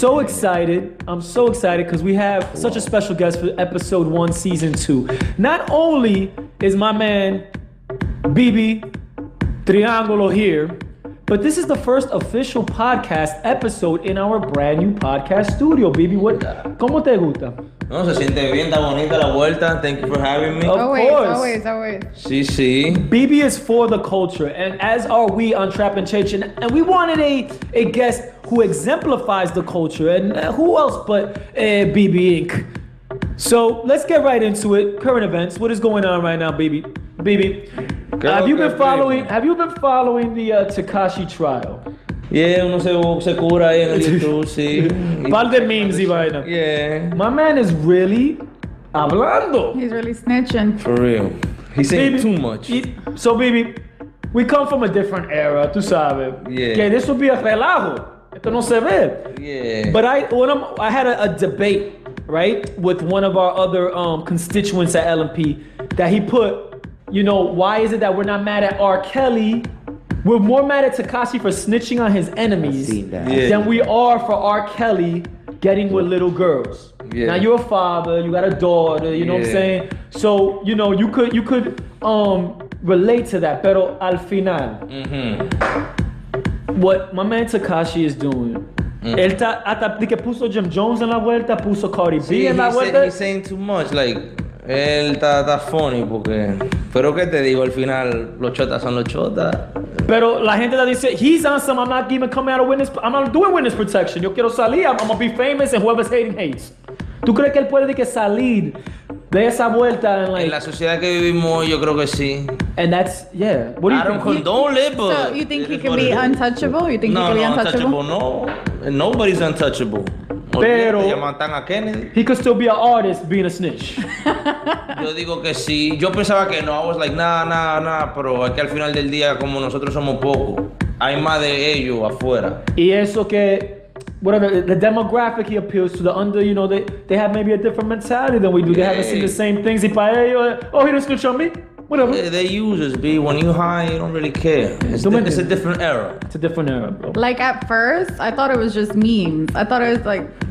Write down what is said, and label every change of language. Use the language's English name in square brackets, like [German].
[English] I'm so excited because we have such a special guest for episode 1, season 2. Not only is my man BB Triangulo here, but this is the first official podcast episode in our brand new podcast studio. BB, what? [Spanish] ¿Cómo te gusta? No, se siente bien, está bonita la vuelta. [English] Thank you for having me. Of course. [Spanish] Sí, sí. [English] BB is for the culture, and as are we on Trap and Chich. And we wanted a guest who exemplifies the culture. And who else but BB Inc. So let's get right into it. Current events. What is going on right now, BB? BB, have you been following the Tekashi trial? [Spanish] Yeah, uno se cura ahí en el YouTube, sí. Par de memes y vaina. [English] Yeah. My man is really [Spanish] hablando. [English] He's really snitching. For real. He's saying too much. So, baby, we come from a different era, [Spanish] tú sabes. [English] Yeah. [Spanish] Que [English] this would be a [Spanish] relajo. Esto no se ve. [English] Yeah. But I had a debate, right, with one of our other constituents at LMP that he put, you know, why is it that we're not mad at R. Kelly? We're more mad at Tekashi for snitching on his enemies than we are for R. Kelly getting with little girls. Yeah. Now you're a father, you got a daughter, you know what I'm saying? So, you know, you could relate to that, [Spanish] pero al final, [English] what my man Tekashi is doing, [Spanish] él hasta que puso Jim Jones en la vuelta, puso Cardi B en la vuelta. [English] He's saying too much, like, [Spanish] él está funny porque... Pero que te digo, al final, los chotas son los chotas. Pero la gente [English] that dice, he's awesome, I'm not even coming out of witness, I'm not doing witness protection. [Spanish] Yo quiero salir, [English] I'm gonna be famous, and whoever's hating, hates. [Spanish] ¿Tú crees que él puede de que salir de esa vuelta? En, like, en la sociedad que vivimos, yo creo que sí. [English] And that's, yeah. What do you think? I don't condone it, but... So you think he can be untouchable? You think no, he can be untouchable? Untouchable? No, nobody's untouchable. [Spanish] Pero [English] he could still be an artist being a snitch. [Spanish] Yo digo que sí. Yo pensaba que no. [English] I was like, nah. [Spanish] Pero es que al final del día, como nosotros somos poco, hay más de ellos afuera. Y eso que, [English] whatever, the demographic he appeals to, the under, you know, they have maybe a different mentality than we do. They haven't seen the same things. [Spanish] Y para ellos, [English] oh, he didn't snitch on me. Whatever. They use us, B. When you high, you don't really care. It's a different era. It's a different era, bro. Like, at first, I thought it was just memes. I thought it was like...